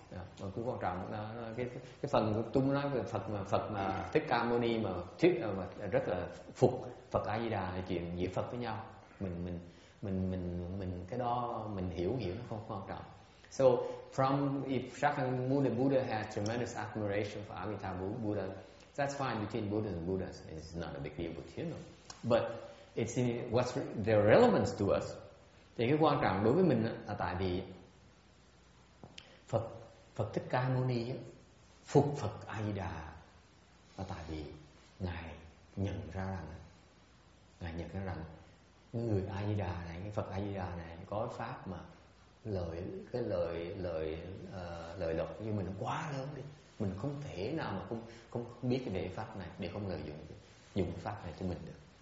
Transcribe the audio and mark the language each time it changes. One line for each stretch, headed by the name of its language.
Vietnamese: Mà cứ quan trọng cái phần tôi muốn nói về Phật mà Thích Ca Mâu Ni mà thuyết mà rất là phục Phật A Di Đà là chuyện giữa Phật với nhau. Mình cái đó mình hiểu nó không quan trọng.
English: So from if Shakyamuni Buddha has tremendous admiration for Amitabha Buddha, that's fine between Buddhas and Buddhas. It's not a big deal between them. But it's in what's the relevance to us.
Vietnamese: Thì cái quan trọng đối với mình là tại vì Phật Thích Ca Mâu Ni phục Phật A Di Đà là tại vì ngài nhận ra rằng người A Di Đà này, cái Phật A Di Đà này có pháp mà lợi lộc như mình quá lớn đi, mình không thể nào mà không biết cái đề pháp này để không lợi dụng pháp này cho mình được.